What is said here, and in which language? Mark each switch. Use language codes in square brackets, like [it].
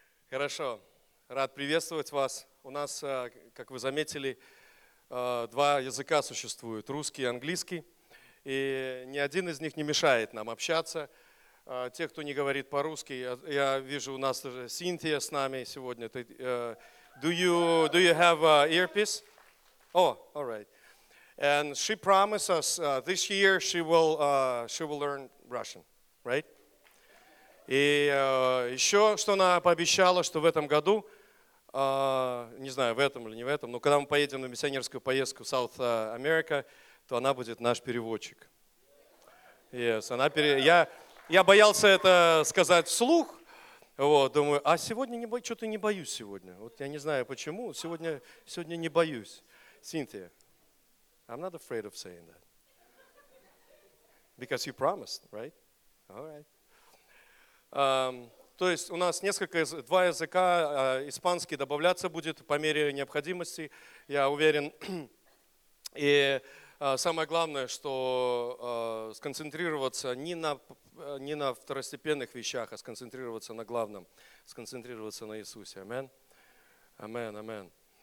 [ru] Хорошо, рад приветствовать вас. У нас, как вы заметили, два языка существуют, русский и английский. И ни один из них не мешает нам общаться. Те, кто не говорит по-русски, я вижу, у нас даже Синтия с нами сегодня. [en] Do you have an earpiece? Oh, all right. And she promised us this year she will learn Russian, right? [ru] И еще, что она пообещала, что в этом году, не знаю, в этом или не в этом, но когда мы поедем на миссионерскую поездку в South America, то она будет наш переводчик. Yes, я боялся это сказать вслух. Вот, думаю, а сегодня не боюсь, что-то не боюсь сегодня. Вот я не знаю почему, сегодня не боюсь. [en] Синтия, I'm not afraid of saying that. Because you promised, right? All right. [ru] То есть у нас два языка, испанский добавляться будет по мере необходимости, я уверен. И самое главное, что сконцентрироваться не на второстепенных вещах, а сконцентрироваться на главном, сконцентрироваться на Иисусе. Амен. Амен, амен.